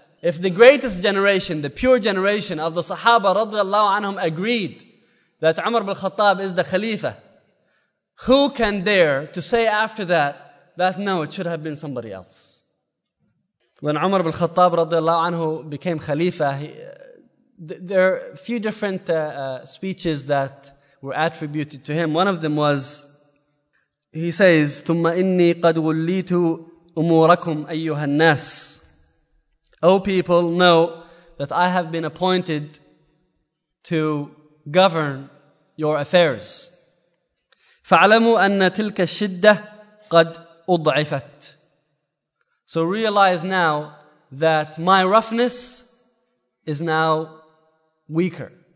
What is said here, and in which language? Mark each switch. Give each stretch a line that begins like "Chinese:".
English: If the greatest generation, the pure generation of the Sahaba radiallahu anhum agreed that Umar bin Khattab is the Khalifa, who can dare to say after that, that no, it should have been somebody else? When Umar bin Khattab radiallahu anhu became Khalifa, there are a few different speeches that were attributed to him. One of them was, he says,
Arabic: ثُمَّ إِنِّي قَدْ وُلِّيتُ أُمُورَكُمْ أَيُّهَا النَّاسِ.
English: O people, know that I have been appointed to govern your affairs.
Arabic: فَعْلَمُوا أَنَّ تِلْكَ الشِّدَّةِ قَدْ أُضْعِفَتْ.
English: So realize now that my roughness is now weaker.